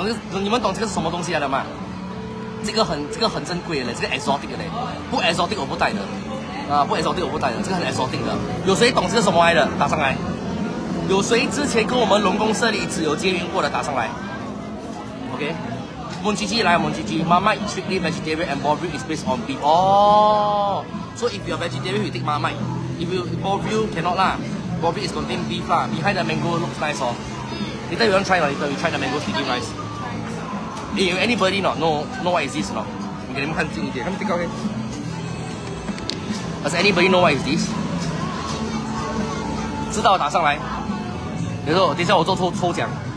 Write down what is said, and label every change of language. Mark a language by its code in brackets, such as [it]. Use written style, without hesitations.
[zh] 你们懂这个是什么东西来的吗？这个很珍贵的，这个 exotic 的，不 exotic 我不带的。不然说对我不带的，这个很 exotic 的。有谁懂这个什么来的？打上来。有谁之前跟我们龙宫社里只有接缘过的？打上来。OK， 蒙吉吉来，蒙吉吉。 [en] Marmite strictly vegetarian and barbecue is based on beef. 哦、oh, ，so if you are vegetarian, you take Marmite. If you barbecue cannot lah, barbecue is contain beef lah. Behind the mango looks nice. Oh, later you want try or later you try the mango sticky rice. Hey, anybody not know what is this not? [zh] 我给你们看近一点，看这个 OK。 [en] Does anybody know what is this? [zh] 知道打上来。等一下我做抽奖。